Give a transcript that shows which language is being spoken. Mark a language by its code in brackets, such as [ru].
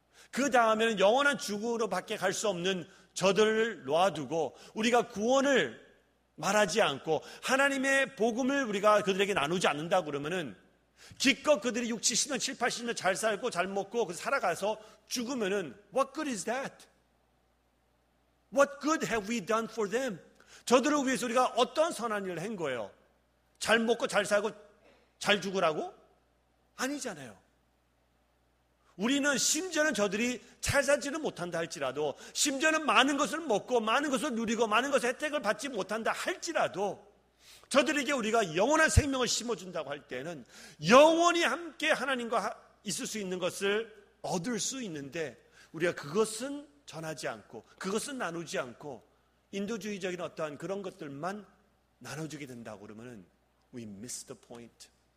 [ko] 그 다음에는 영원한 죽음으로밖에 갈 수 없는 저들을 놔두고 우리가 구원을 말하지 않고 하나님의 복음을 우리가 그들에게 나누지 않는다 그러면은 기껏 그들이 60, 70년, 70, 80년 잘 살고 잘 먹고 살아가서 죽으면은 [en] What good is that? What good have we done for them? [ko] 저들을 위해서 우리가 어떤 선한 일을 한 거예요? 잘 먹고 잘 살고 잘 죽으라고? 아니잖아요. 우리는 심지어는 저들이 잘 살지는 못한다 할지라도 심지어는 많은 것을 먹고 많은 것을 누리고 많은 것의 혜택을 받지 못한다 할지라도 저들에게 우리가 영원한 생명을 심어준다고 할 때는 영원히 함께 하나님과 있을 수 있는 것을 얻을 수 있는데 우리가 그것은 전하지 않고 그것은 나누지 않고 인도주의적인 어떠한 그런 것들만 나눠주게 된다고 그러면은 [en] we miss the point.